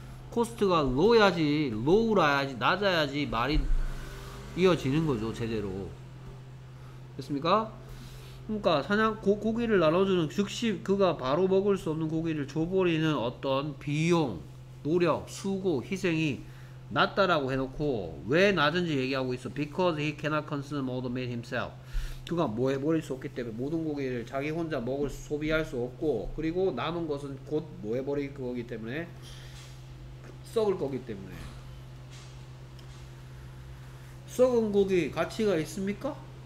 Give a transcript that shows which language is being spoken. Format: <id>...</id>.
<ko>코스트가 로우야지, 로우라야지, 낮아야지 말이 이어지는 거죠, 제대로. 됐습니까? 그러니까 사냥 고기를 나눠주는 즉시 그가 바로 먹을 수 없는 고기를 줘버리는 어떤 비용, 노력, 수고, 희생이 낮다라고 해놓고 왜 낮은지 얘기하고 있어.</ko> <en>Because he cannot consume all the meat himself.</en> <ko>그가 뭐 해버릴 수 없기 때문에 모든 고기를 자기 혼자 먹을 수, 소비할 수 없고 그리고 남은 것은 곧 뭐 해버릴 거기 때문에 썩을 거기 때문에 썩은 고기 가치가 있습니까?</ko>